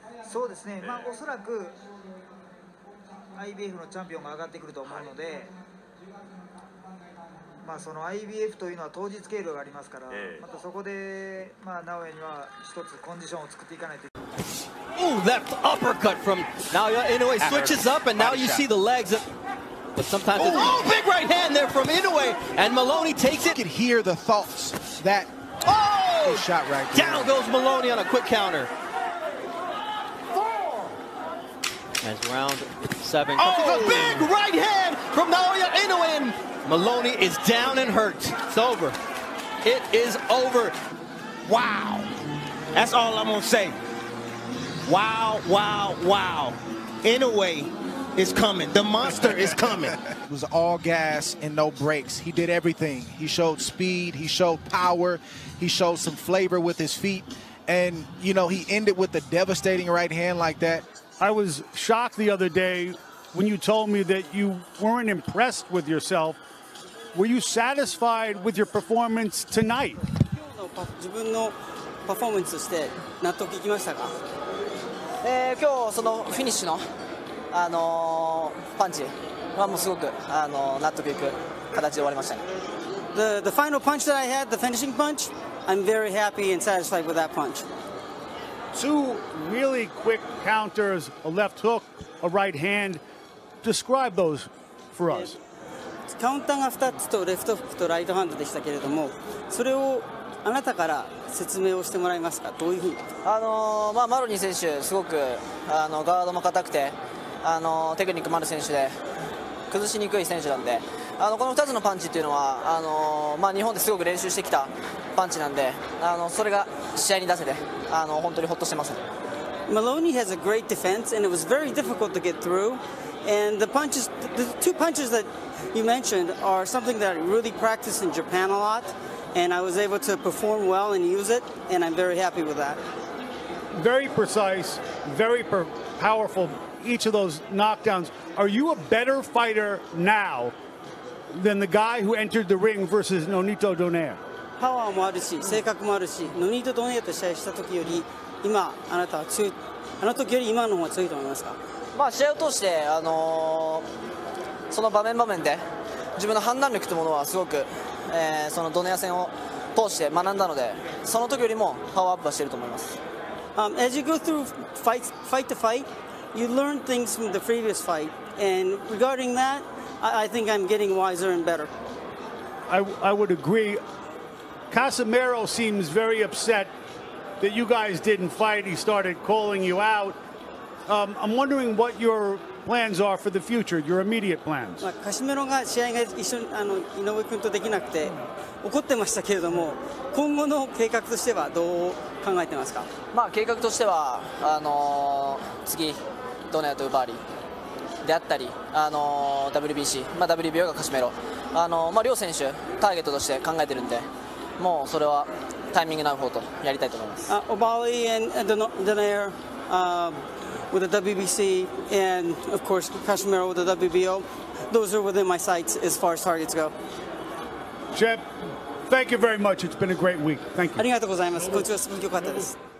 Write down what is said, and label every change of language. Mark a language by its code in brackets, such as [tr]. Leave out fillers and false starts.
[ja] そうですね、まあ、おそらくIBF のチャンピオンが上がってくると思うので、はい、まあ、その IBF というのは当日計量がありますから、またそこで、まあ、尚弥には一つコンディションを作っていかないといけない。 [en] Ooh, left uppercut from Naoya. Inoue switches up, and now you see the legs of... But sometimes it's... Oh, big right hand there from Inoue, and Maloney takes it. You can hear the thoughts that... Oh! Shot right there. Down goes Maloney on a quick counter. As round seven. Oh, a big right hand from Naoya Inoue. Maloney is down and hurt. It's over. It is over. Wow. That's all I'm going to say. Wow, wow, wow. Inoue is coming. The monster is coming. It was all gas and no brakes. He did everything. He showed speed. He showed power. He showed some flavor with his feet. And, you know, he ended with a devastating right hand like that. I was shocked the other day when you told me that you weren't impressed with yourself. Were you satisfied with your performance tonight? [ja] 今日の自分のパフォーマンスとして納得いきましたか？今日そのフィニッシュの、パンチはもうすごく、納得いく形で終わりましたね。 [en] The final punch that I had, the finishing punch, I'm very happy and satisfied with that punch. Two really quick counters, a left hook, a right hand. Describe those for us. [ja] カウンターが2つとレフトフックとライトハンドでしたけれども、それをあなたから説明をしてもらえますか。どういうふうに。まあマロニー選手すごくガードも硬くて、テクニックもある選手で崩しにくい選手なんで、この2つのパンチっていうのはまあ日本ですごく練習してきたパンチなんで、それが試合に出せて。本当にホッとしてます。 [en] Maloney has a great defense and it was very difficult to get through. And the punches, the two punches that you mentioned are something that I really practice in Japan a lot. And I was able to perform well and use it. And I'm very happy with that. Very precise, very powerful, each of those knockdowns. Are you a better fighter now than the guy who entered the ring versus Nonito Donaire? [ja] パワーもあるし、性格もあるし、ノニート・ドネアと試合した時より今あなたは強い、あの時より今の方が強いと思いますか。まあ試合を通してその場面場面で自分の判断力というものはすごく、そのドネア戦を通して学んだので、その時よりもパワーアップはしていると思います。 [en] As you go through fight to fight, you learn things from the previous fight, and regarding that, I think I'm getting wiser and better. I would agree. Casimiro seems very upset that you guys didn't fight. He started calling you out. I'm wondering what your plans are for the future, your immediate plans. [ja] Casimiro が試合が一緒に井上君とできなくて怒ってましたけれども、今後の計画としてはどう考えてますか？まあ計画としては次ドネアとウバーリであったり、WBC、まあ WBO がCasimiro、まあ両選手ターゲットとして考えてるんで。もうそれはタイミングの方とやりたいと思います。 [en] Obali and Donaire with the WBC and of course Casimiro with the WBO. Those are within my sights as far as targets go. Jeb, thank you very much. It's been a great week. Thank you. [ja] ありがとうございます。こちらすごく良かったです。